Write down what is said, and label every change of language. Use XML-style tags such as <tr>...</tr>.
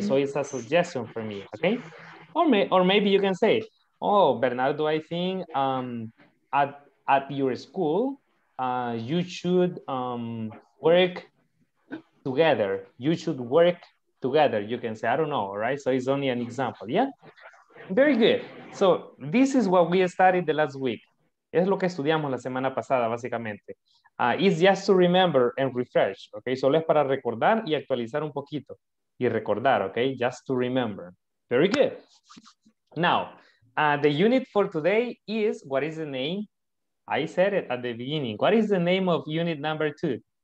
<en>So it's a suggestion for me, okay? Or maybe you can say, oh, Bernardo, I think at your school, you should work together. You should work together, you can say. I don't know, all right? So it's only an example, yeah? Very good. So this is what we studied the last week.</en> <es>Es lo que estudiamos la semana pasada, básicamente.</es> <en>It's just to remember and refresh, okay?</en> <es>Solo es para recordar y actualizar un poquito. Y recordar,</es> <en>okay? Just to remember. Very good. Now, the unit for today is, what is the name? I said it at the beginning. What is the name of unit number two?</en>